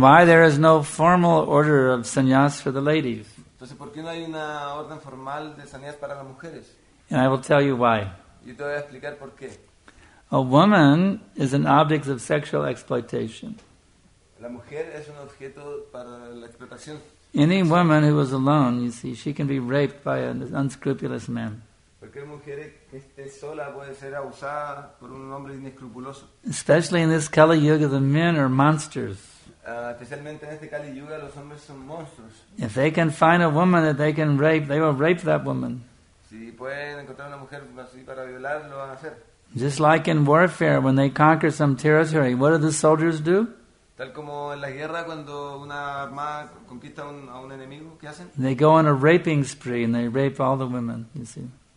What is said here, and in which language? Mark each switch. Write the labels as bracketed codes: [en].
[en] why there is no formal order of sannyas for the ladies. [es] Entonces, ¿por qué no hay una orden formal de sannyas para las mujeres? [en] And I will tell you why. [es] Yo te voy a explicar por qué. [en] A woman is an object of sexual exploitation. [es] La mujer es un objeto para la explotación. [en] Any woman who is alone, you see, she can be raped by an unscrupulous man. [es] Cualquier mujer que esté sola puede ser abusada por un hombre inescrupuloso. [en] Especially in this Kali Yuga, the men are monsters. [es] Especialmente en este Kali Yuga, los hombres son monstruos. [en] If they can find a woman that they can rape, they will rape that woman. [es] Si pueden encontrar una mujer así para violar, lo van a hacer. [en] Just like in warfare, when they conquer some territory, what do the soldiers do? [es] Tal como en la guerra, cuando una armada conquista a un enemigo, ¿qué hacen? [en] They go on a raping spree and they rape all the women, you see.